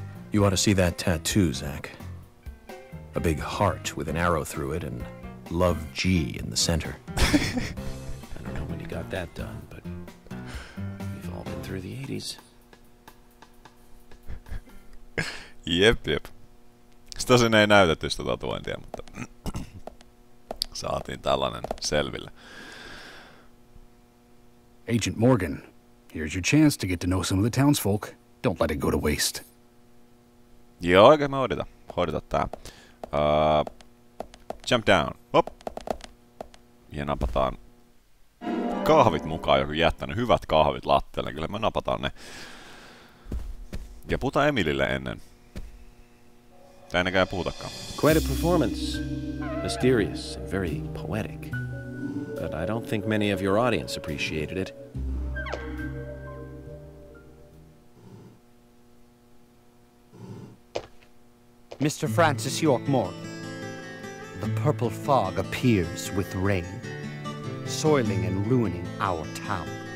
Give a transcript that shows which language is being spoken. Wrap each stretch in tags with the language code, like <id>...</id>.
<en>You ought to see that tattoo, Zach. A big heart with an arrow through it and Love G in the center. I don't know when you got that done, but we've all been through the 80s. Yep.</en> <fi>Sitä sinne ei näytetty sitä tatuointia, mutta saatiin tällainen selville.</fi> <en>Agent Morgan, here's your chance to get to know some of the townsfolk. Don't let it go to waste.</en> <fi>Joo, oikein mä hoidetaan tää.</fi> <en>Jump down. Hop.</en> <fi>Ja napataan kahvit mukaan, joku jättänyt hyvät kahvit lattialle. Kyllä mä napataan ne. Ja puhuta Emilille ennen. Tai ennenkään puhutakaan.</fi> <en>Quite a performance. Mysterious and very poetic. But I don't think many of your audience appreciated it. Mr. Francis York Morgan, the purple fog appears with rain, soiling and ruining our town.</en>